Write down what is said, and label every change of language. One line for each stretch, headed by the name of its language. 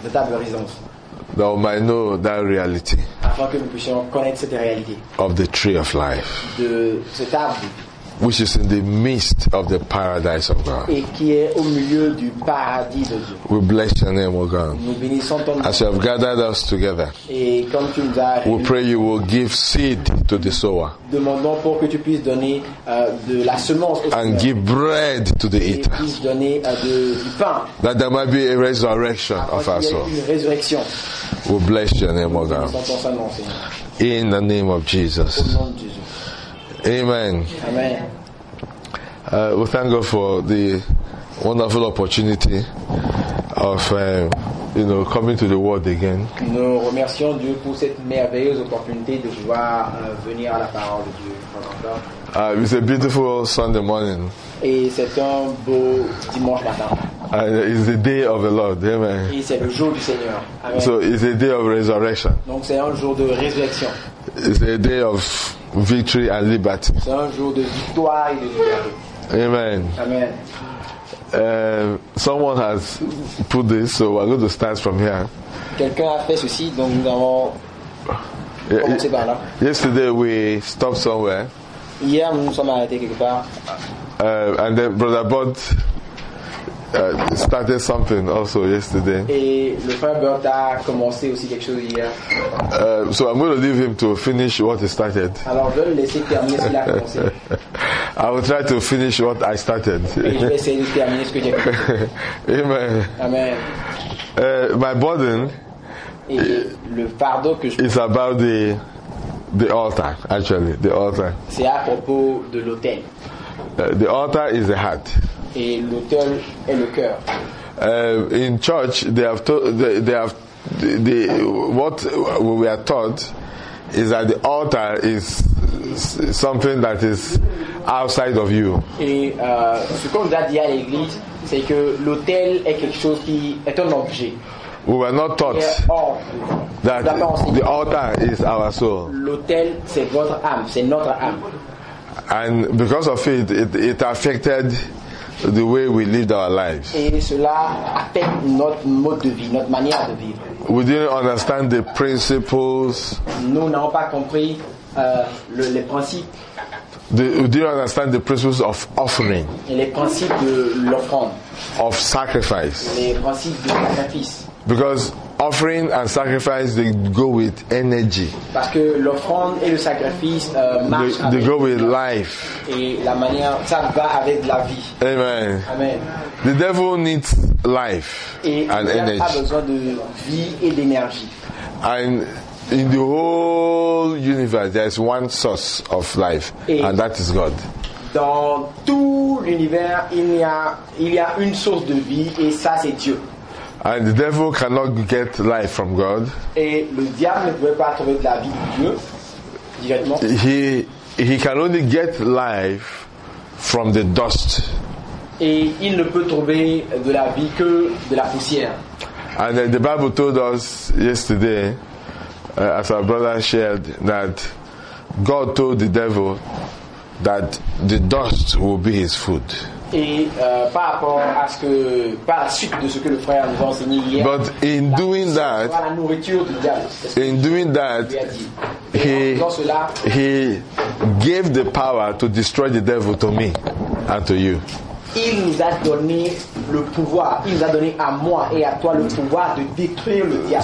English: That we might know that reality of the tree of life, which is in the midst of the paradise of God.
French: Et qui est au milieu du paradis de Dieu.
English: We bless your name, O God.
French: Nous bénissons ton nom.
English: As you have gathered us together,
French: et comme tu nous as
English: we pray you will give seed to the sower.
French: Demandons pour que tu puisses donner de la semence au
English: and give bread to the eater.
French: Et puisses donner du pain.
English: That there might be a resurrection of our soul.
French: Une résurrection.
English: We bless your name, O God.
French: Nous bénissons ton nom, Seigneur.
English: In the name of Jesus.
French: Au nom de Jésus.
English: Amen.
French: Amen.
English: We thank God for the wonderful opportunity of coming to the Word again.
French: Nous remercions Dieu pour cette merveilleuse opportunité de voir venir à la parole de Dieu.
English: It's a beautiful Sunday morning.
French: Et c'est un beau dimanche matin.
English: It's the day of the Lord. Amen.
French: Et c'est le jour du Seigneur. Amen.
English: So it's a day of resurrection.
French: Donc c'est un jour de résurrection.
English: It's a day of victory and liberty.
French: C'est un jour de victoire et de liberté.
English: Amen.
French: Amen.
English: Someone has put this, so we're going to start from here.
French: Quelqu'un a fait ceci, donc nous avons commencé par là.
English: Yesterday we stopped somewhere.
French: Hier nous sommes arrêtés quelque part.
English: And then Brother Bud started something also yesterday.
French: Et le frère Bert a commencé aussi quelque chose hier.
English: So I'm going to leave him to finish what he started.
French: Alors je vais le laisser terminer ce qu'il a commencé.
English: I will try to finish what I started.
French: Et je vais essayer de terminer ce que j'ai commencé.
English: Amen.
French: Amen.
English: My burden.
French: Et le fardeau que je.
English: Is about the altar actually the altar.
French: C'est à propos de l'autel.
English: The altar is the heart.
French: Et l'autel est le cœur.
English: In church, what we are taught is that the altar is something that is outside of you.
French: Et ce qu'on doit dire à l'église, c'est que l'autel est quelque chose qui est un objet.
English: We were not taught that the altar is our soul.
French: L'autel, c'est votre âme, c'est notre âme.
English: And because of it, it affected the way we lived our lives.
French: Et cela affecte notre mode de vie, notre manière de vivre.
English: We didn't understand the principles.
French: Nous n'avons pas compris les principes.
English: We didn't understand the principles of offering.
French: Et les principes de l'offrande.
English: Of sacrifice.
French: Les principes de sacrifice.
English: Because offering and sacrifice, they go with energy.
French: Parce que l'offrande et le sacrifice
English: they go with life.
French: Et la manière, ça va avec la vie.
English: Amen.
French: Amen.
English: The devil needs life and energy.
French: Et il a besoin de vie et d'énergie.
English: And in the whole universe, there is one source of life, and that is God.
French: Dans tout l'univers, il y a une source de vie, et ça, c'est Dieu.
English: And the devil cannot get life from God.
French: Et le diable ne pouvait pas trouver de la vie de Dieu directement.
English: He can only get life from the dust.
French: Et il ne peut trouver de la vie que de la poussière.
English: And the Bible told us yesterday, as our brother shared, that God told the devil that the dust will be his food.
French: Et par rapport à ce que, par la suite de ce que le frère nous a enseigné hier,
English: but in doing that,
French: la nourriture du diable,
English: in doing that, he gave the power to destroy the devil to me and to you.
French: Il nous a donné le pouvoir, il nous a donné à moi et à toi le pouvoir de détruire le diable.